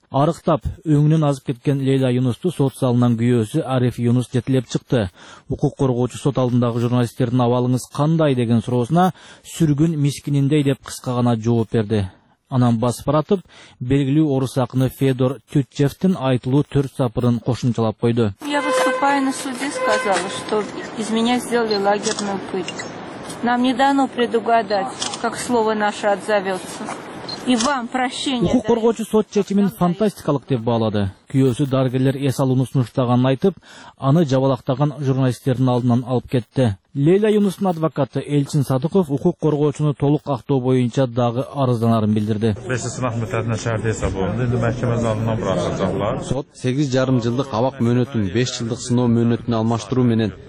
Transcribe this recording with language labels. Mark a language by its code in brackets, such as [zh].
[ky] Арыктап, өңүнөн азып кеткен Лейла Юнусту сот залынан күйөөсү Ариф Юнус жетелеп чыкты. Укук коргоочу сот алдындагы журналисттердин абалыңыз кандай деген суроосуна сүргүн мискининдей деп кыска гана жооп берди. Анан басып баратып, белгилүү орус акыны Федор Тютчевтин айтылуу 4 сапырын кошумчалап койду. [ru] Я выступаю на суде, сказала, что из меня сделали лагерную пытку. Нам не дано предугадать, как слово наше отзовется. И вам прощение. [ky] Укук коргоочу сот чечимин фантастикалык деп баалады. Күйөөсү дарыгерлер эс алууну сунуштаганын айтып, аны жабалактаган журналисттердин алдынан алып кетти. Лейла Юнустун адвокаты Элчин Садыков укук коргоочуну толук актоо боюнча дагы арызданарын билдирди. Сот 8.5 жылдык абак мөөнөтүн 5 жылдык сыноо мөөнөтүнө алмаштыруу менен